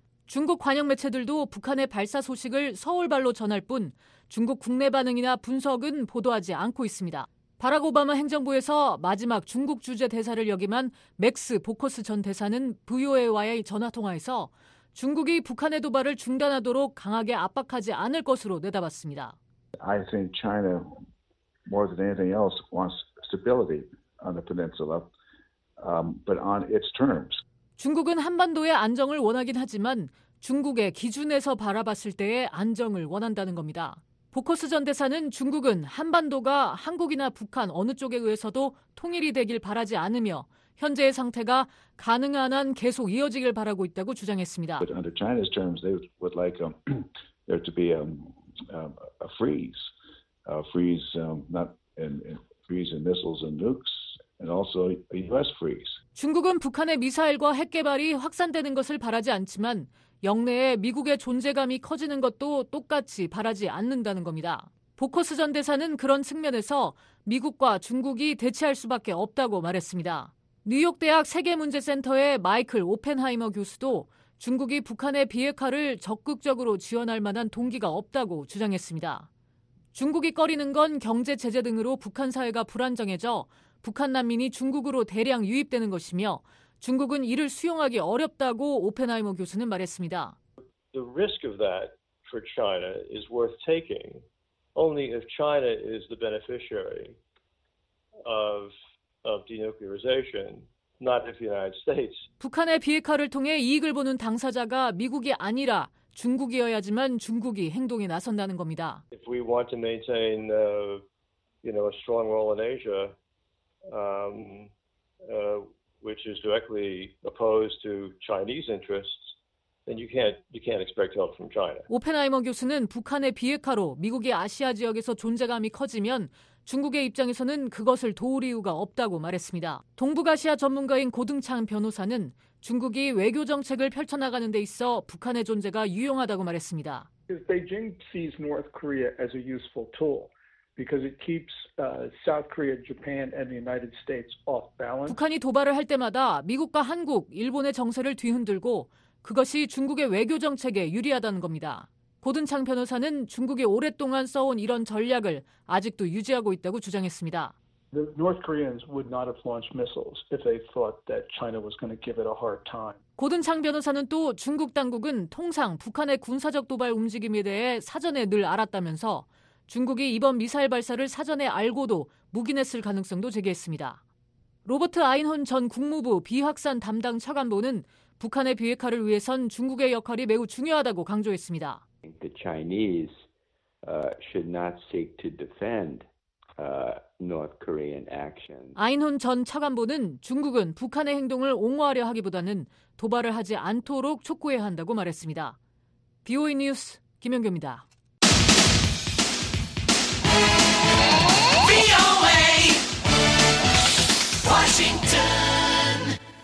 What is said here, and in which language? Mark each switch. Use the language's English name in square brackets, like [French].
[Korean] 중국 관영 매체들도 북한의 발사 소식을 서울발로 전할 뿐 중국 국내 반응이나 분석은 보도하지 않고 있습니다. 바락 오바마 행정부에서 마지막 중국 주재 대사를 역임한 맥스 보커스 전 대사는 VOA와의 전화통화에서 중국이 북한의 도발을 중단하도록 강하게 압박하지 않을 것으로 내다봤습니다. [English] I think China, more than anything else, wants stability on the peninsula. But on its terms. [Korean] 중국은 한반도의 안정을 원하긴 하지만 중국의 기준에서 바라봤을 때의 안정을 원한다는 겁니다. 보커스 전 대사는 중국은 한반도가 한국이나 북한 어느 쪽에 의해서도 통일이 되길 바라지 않으며 현재의 상태가 가능한 한 계속 이어지길 바라고 있다고 주장했습니다. [English] But under China's terms, they would like there to be a freeze, a freeze not in freeze in missiles and nukes, and also a U.S. freeze. [Korean] 중국은 북한의 미사일과 핵 개발이 확산되는 것을 바라지 않지만 영내에 미국의 존재감이 커지는 것도 똑같이 바라지 않는다는 겁니다. 보커스 전 대사는 그런 측면에서 미국과 중국이 대치할 수밖에 없다고 말했습니다. 뉴욕대학 세계문제센터의 마이클 오펜하이머 교수도 중국이 북한의 비핵화를 적극적으로 지원할 만한 동기가 없다고 주장했습니다. 중국이 꺼리는 건 경제 제재 등으로 북한 사회가 불안정해져 북한 난민이 중국으로 대량 유입되는 것이며 중국은 이를 수용하기 어렵다고 오펜하이머 교수는 말했습니다. [English] The risk of that for China is worth taking only if China is the beneficiary of denuclearization, not if the United States. [Korean] 북한의 비핵화를 통해 이익을 보는 당사자가 미국이 아니라 중국이어야지만 중국이 행동에 나선다는 겁니다. [English] If we want to maintain a strong role in Asia, which is directly opposed to Chinese interests, then you can't expect help from China. [Korean] 오펜하이머 교수는 북한의 비핵화로 미국이 아시아 지역에서 존재감이 커지면 중국의 입장에서는 그것을 도울 이유가 없다고 말했습니다. 동북아시아 전문가인 고등창 변호사는 중국이 외교 정책을 펼쳐나가는 데 있어 북한의 존재가 유용하다고 말했습니다. [English] If Beijing sees North Korea as a useful tool, because it keeps South Korea, Japan, and the United States off balance. [Korean] 북한이 도발을 할 때마다 미국과 한국, 일본의 정세를 뒤흔들고 그것이 중국의 외교 정책에 유리하다는 겁니다. 고든창 변호사는 중국이 오랫동안 써온 이런 전략을 아직도 유지하고 있다고 주장했습니다. [English] The North Koreans would not have launched missiles if they thought that China was going to give it a hard time. [Korean] 고든창 변호사는 또 중국 당국은 통상 북한의 군사적 도발 움직임에 대해 사전에 늘 알았다면서 중국이 이번 미사일 발사를 사전에 알고도 묵인했을 가능성도 제기했습니다. 로버트 아인헌 전 국무부 비확산 담당 차관보는 북한의 비핵화를 위해선 중국의 역할이 매우 중요하다고 강조했습니다. [English] The Chinese should not seek to defend North Korean action. [Korean] 아인헌 전 차관보는 중국은 북한의 행동을 옹호하려 하기보다는 도발을 하지 않도록 촉구해야 한다고 말했습니다. BOE 뉴스 김영규입니다. [English] BOA Washington.